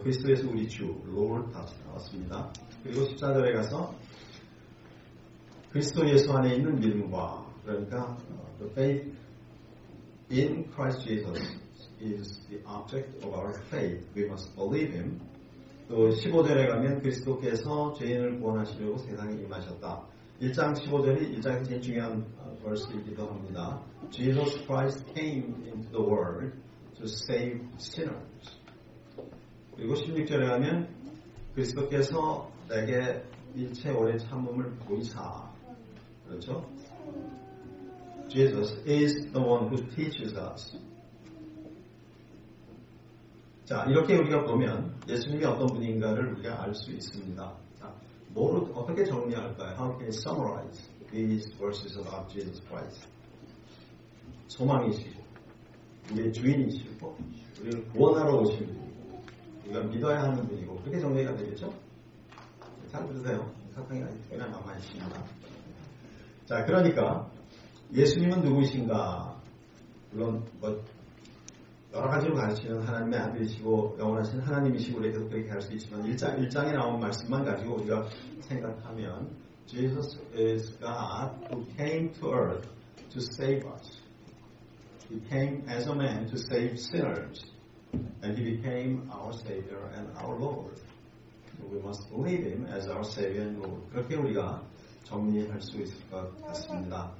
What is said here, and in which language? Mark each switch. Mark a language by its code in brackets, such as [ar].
[ko] 그리스도 예수 우리 주. Lord 다시 나왔습니다. 그리고 14절에 가서 그리스도 예수 안에 있는 믿음과 그러니까 [en] the faith in Christ Jesus is the object of our faith. We must believe him. [ko] 또 15절에 가면 그리스도께서 죄인을 구원하시려고 세상에 임하셨다. 1장 15절이 1장에서 제일 중요한 verse이기도 합니다. [en] Jesus Christ came into the world to save sinners. [ko] 그리고 16절에 가면 그리스도께서 내게 일체 오래 참음을 보이사 그렇죠? [en] Jesus is the one who teaches us. [ko] 자, 이렇게 우리가 보면 예수님이 어떤 분인가를 우리가 알 수 있습니다. 자, 뭐로 어떻게 정리할까요? [en] How can you summarize these verses about Jesus Christ? [ko] 소망이시고 우리의 주인이시고 우리를 구원하러 오신 분이고 우리가 믿어야 하는 분이고 그렇게 정리가 되겠죠? 잘 들으세요. 사탕이 아직 꽤나 남아있습니다. 자, 그러니까 예수님은 누구이신가? 물론 뭐 여러 가지로 가르치는 하나님의 아들이시고 영원하신 하나님이시고 우리 계속 그렇게 할 수 있지만 1장에 나온 말씀만 가지고 우리가 생각하면 [en] Jesus is God who came to earth to save us. He came as a man to save sinners. And he became our Savior and our Lord. So we must believe him as our Savior and Lord. [ko] 그렇게 우리가 정리할 수 있을 것 같습니다.